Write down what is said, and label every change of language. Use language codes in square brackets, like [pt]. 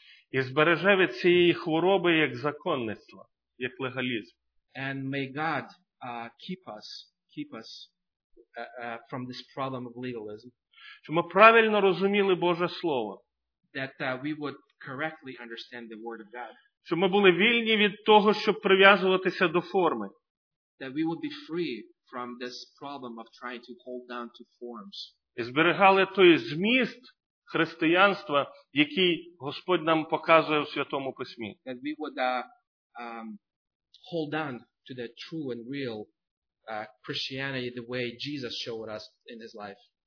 [uk] І збереже від цієї хвороби як законництво, як легалізм. [en] And may God keep us from this problem of legalism. [uk] Щоб ми правильно розуміли Боже Слово. [en] That we would correctly understand the word of God. [uk] Щоб ми були вільні від того, щоб прив'язуватися до форми. [en] That we would be free from this problem of trying to hold down to forms. [uk] І зберігали той зміст християнства, який Господь нам показує у Святому Письмі. [en] That we would hold on to the true and real Christianity the way Jesus showed us in his life.